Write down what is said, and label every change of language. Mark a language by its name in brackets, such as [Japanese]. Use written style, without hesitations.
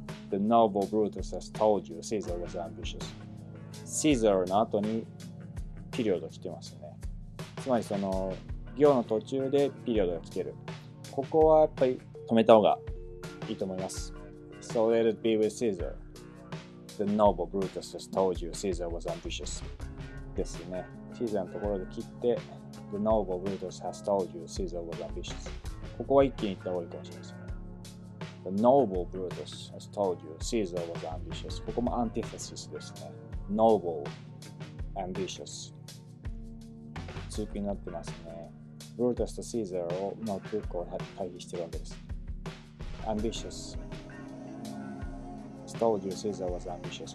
[English] The noble Brutus has told you Caesar was ambitious. [Japanese] Caesar の後にピリオドが来てますよね。つまりその行の途中でピリオドが来てる。ここはやっぱり止めた方がいいと思います。 [English] So let it be with Caesar. The noble Brutus has told you Caesar was ambitious. [Japanese] ですね。 [English] Caesar [Japanese] のところで切って [English] The noble Brutus has told you Caesar was ambitious. [Japanese] ここは一気に行った方がいいかもしれません。 [English] The noble Brutus has told you Caesar was ambitious. [Japanese] ここもアンティファシスですね。 [English] Noble, ambitious. [Japanese] 続きになってますね。 Brutus と Caesar の空港を対比してるわけです。Ambitious. [English] Told you Caesar was ambitious.